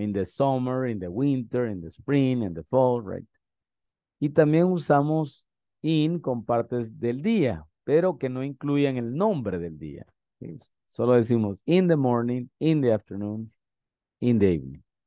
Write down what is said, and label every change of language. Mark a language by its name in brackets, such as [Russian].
[English] In the summer, in the winter, in the spring, in the fall, right? [Spanish] Y también usamos in con partes del día, pero que no incluyan el nombre del día. Solo decimos [English] in the morning, in the afternoon, in the evening.